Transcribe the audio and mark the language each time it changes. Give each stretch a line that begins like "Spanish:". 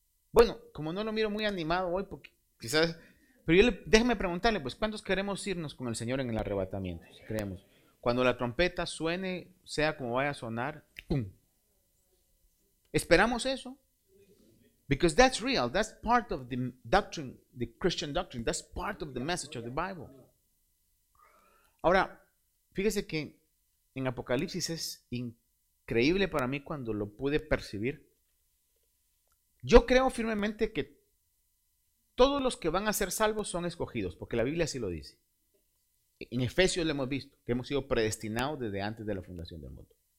Spanish: Bueno, como no lo miro muy animado hoy, porque quizás, pero déjeme preguntarle, pues, ¿cuántos queremos irnos con el Señor en el arrebatamiento? Si creemos, cuando la trompeta suene, sea como vaya a sonar, ¡pum! ¿Esperamos eso?
English: Because that's real. That's part of the doctrine, the Christian doctrine. That's part of the message of the Bible.
Spanish: Ahora, fíjese que en Apocalipsis es increíble para mí cuando lo pude percibir. Yo creo firmemente que todos los que van a ser salvos son escogidos, porque la Biblia así lo dice. En Efesios lo hemos visto, que hemos sido predestinados desde antes de la fundación del mundo.